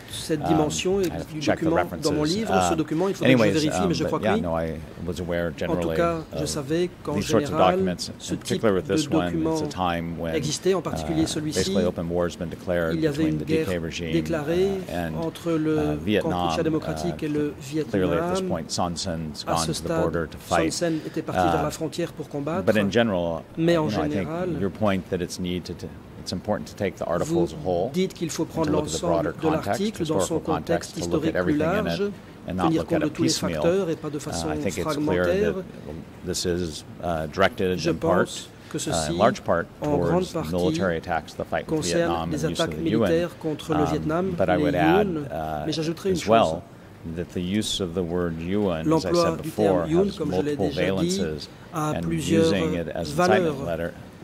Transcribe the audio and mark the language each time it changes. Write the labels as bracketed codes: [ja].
[fr] Cette dimension et du document dans mon livre, ce document, il faut que je vérifie, mais je crois que oui. [en] No, I was aware generally of sorts of documents, in particular with this one, it's a time when basically open war has been declared between the DK regime and Vietnam. Clearly at this point, Son Sen's gone to the border to fight. [fr] Son Sen était parti vers la frontière pour combattre. [en] But in general, I think your point that it's needed to it's important to take the article as a whole. [fr] Vous dites qu'il faut prendre l'ensemble de l'article dans son contexte historique plus large, [en] and not look at [fr] tous les facteurs et pas de façon fragmentaire. [en] This is directed in part, in large part, towards military attacks, the fight with Vietnam and the use of the UN. But I would add, as well, that the use of the word UN, as I said before, has multiple valences, and using it as a title letter.